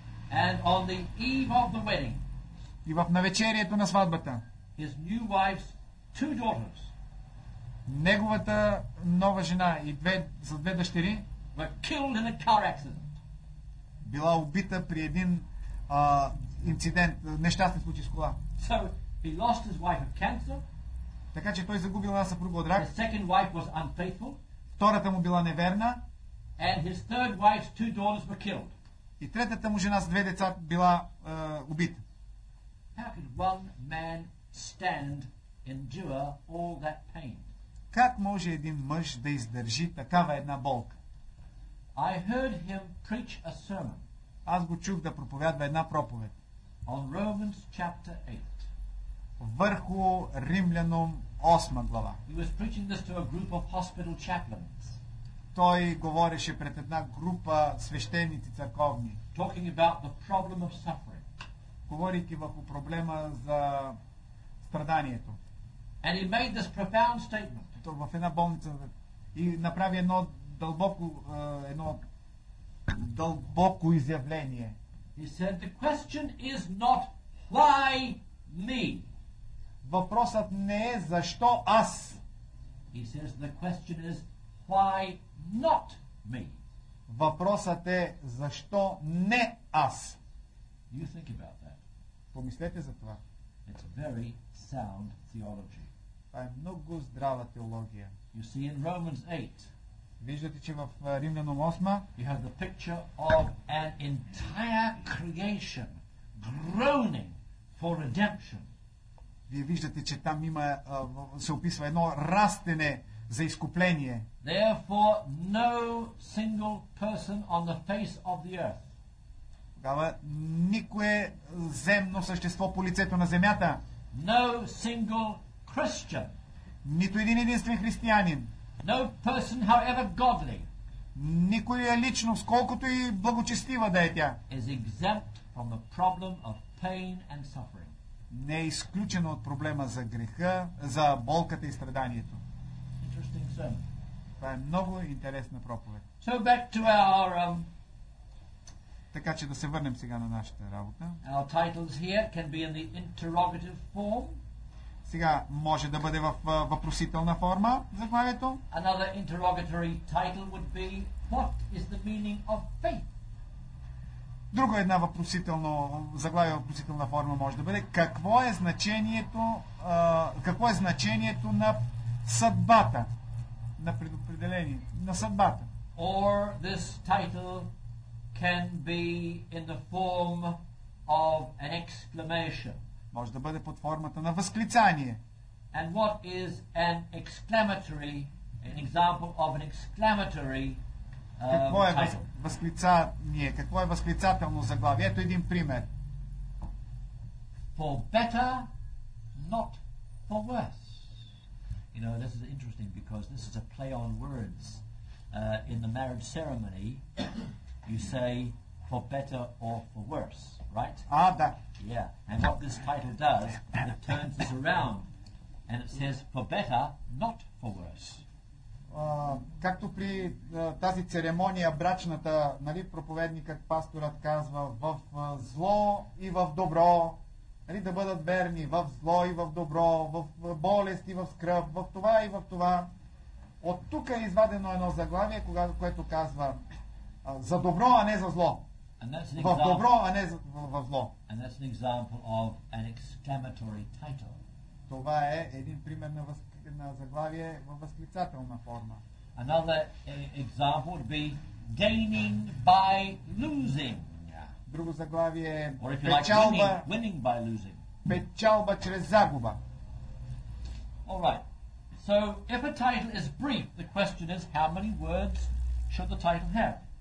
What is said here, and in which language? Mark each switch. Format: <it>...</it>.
<en>And on the eve of the wedding.</en> <bg>И в навечерието на сватбата.</bg> <en>His new wife's two daughters.</en> <bg>Неговата нова жена и две, за две дъщери.</bg> <en>Were killed in a car accident.</en> <bg>Била убита при един инцидент, нещастен случай с кола.</bg> <en>So he lost his wife of cancer.</en> <bg>Така че той загубил една съпруга от рак.</bg> <en>His second wife was unfaithful.</en> <bg>Втората му била неверна.</bg> <en>And his third wife's two daughters were killed.</en> <bg>И третата му жена с две деца била убита.</bg> <en>How could one man stand, endure all that pain?</en> <bg>Как може един мъж да издържи такава една болка?</bg> <en>I heard him preach a sermon.</en> <bg>Аз го чух да проповядва една проповед.</bg> <en>On Romans chapter 8.</en> <bg>Върху Римлянам 8 глава.</bg> <en>He was preaching this to a group of hospital chaplains.</en> <bg>Той говореше пред една група свещеници църковни.</bg> <en>Talking about the problem of suffering.</en> <bg>Говорейки върху проблема за страданието.</bg> <en>And he made this profound statement.</en> <bg>Той в една болница и направи едно дълбоко дълбоко изявление.</bg> <en>He said, the question is not why me.</en> <bg>Въпросът не е защо аз.</bg> <en>He says, the question is why not me.</en> <bg>Въпросът е защо не аз.</bg> <en>You think about that.</en> <bg>Помислете за това.</bg> <en>It's a very sound theology.</en> <bg>Това е много здрава теология.</bg> <en>You see in Romans 8.</en> <bg>Виждате, че в Римлянам 8</bg> <en>you have the picture of an entire creation groaning for redemption.</en> <bg>Вие виждате, че там има, се описва едно растене за изкупление.</bg> <en>Therefore, no single person on the face of the earth.</en> <bg>Тогава никое земно същество по лицето на земята.</bg> <en>No single Christian.</en> <bg>Нито един единствен християнин.</bg> <en>No person, however godly,</en> <bg>никоя личност, колкото и благочестива да е тя,</bg> <en>is exempt from the problem of pain and suffering.</en> <bg>Не е изключена от проблема за греха, за болката и страданието.</bg> <en>Interesting sermon.</en> <bg>Това е много интересна проповед.</bg> <en>So back to our,</en> <bg>така че да се върнем сега на нашата работа.</bg> <en>Our titles here can be in the interrogative form.</en> <bg>Сега може да бъде в въпросителна форма заглавието.</bg> <en>Another interrogatory title would be what is the meaning of faith?</en> <bg>Друго една въпросително заглавие, въпросителна форма може да бъде какво е значението, какво е значението на съдбата, на предопределение, на съдбата.</bg> <en>Or this title can be in the form of an exclamation.</en> <bg>Може да бъде под формата на възклицание.</bg> <en>And what is an exclamatory, an example of an exclamatory</en> <bg>какво е възклицание? Какво е възклицателно заглавие? Ето един пример.</bg> <en>For better, not for worse. You know, this is interesting because this is a play on words. In the marriage ceremony, you say for better or for worse. Right?</en> <bg>Ah, да.</bg> <en>Yeah. And what this title does, it turns this around. And it says, for better, not for worse.</en> <bg>Както при тази церемония брачната, нали, проповедникът пасторът казва, в зло и в добро, нали, да бъдат верни, в зло и в добро, в болест и в скръб, в това и в това. От тук е извадено едно заглавие, което казва за добро, а не за зло. В добро, а не в зло.</bg> <en>And that's an example of an exclamatory title.</en> <bg>Това е един пример на, на заглавие във възклицателна форма.</bg> <en>Another example would be gaining by losing.</en> <bg>Друго заглавие е</bg> <en>печалба, like winning by losing.</en> <bg>Печалба чрез загуба.</bg> <en>All right. So if a title is brief, the question is how many words should the title have?</en>